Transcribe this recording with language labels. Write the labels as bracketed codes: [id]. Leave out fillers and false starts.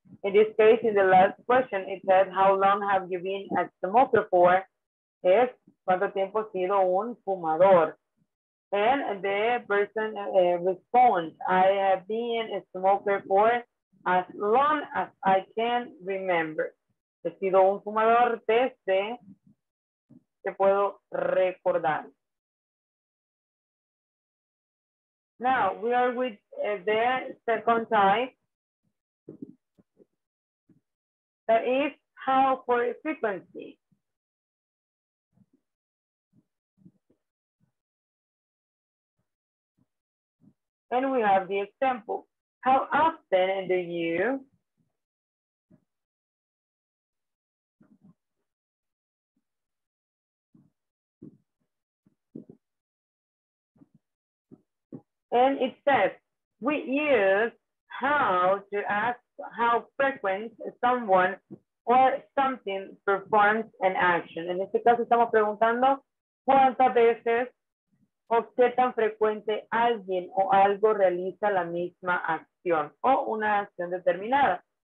[en] In this case, in the last question, it says, how long have you been a smoker for? [es] Es, ¿cuánto tiempo has sido un fumador? [en] And the person responds, I have been a smoker for as long as I can remember. [es] He sido un fumador desde que puedo recordar. [en] Now, we are with the second type. That is how for frequency. And we have the example. How often do you And it says, we use how to ask how frequent someone or something performs an action. [es] En este caso estamos preguntando cuántas veces o qué tan frecuente alguien o algo realiza la misma acción o una acción determinada.